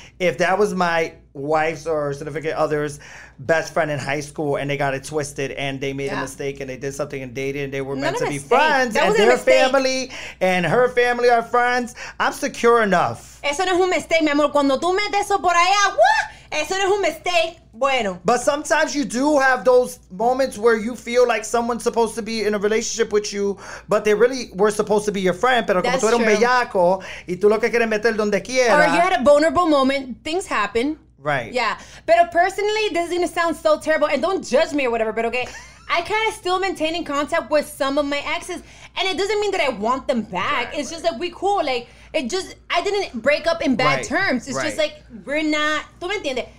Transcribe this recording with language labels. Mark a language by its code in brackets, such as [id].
[en] If that was my wife's or significant other's best friend in high school and they got it twisted and they made a mistake and they did something and dated and they were meant to be friends and their family and her family are friends, I'm secure enough. [es] Eso no es un mistake, mi amor. Cuando tú metes eso por allá, what? Eso no es un mistake. Bueno. [en] But sometimes you do have those moments where you feel like someone's supposed to be in a relationship with you, but they really were supposed to be your friend. [es] Pero como tú eres un bellaco y tú lo que quieres meter donde quieras. [en] Or you had a vulnerable moment. Things happen. Right. Yeah. But personally, this is going to sound so terrible. And don't judge me or whatever, but okay. I kind of still maintain in contact with some of my exes. And it doesn't mean that I want them back. Right, it's just that we cool. Like, it just, I didn't break up in bad terms. It's just like, we're not, [es] tú me entiendes?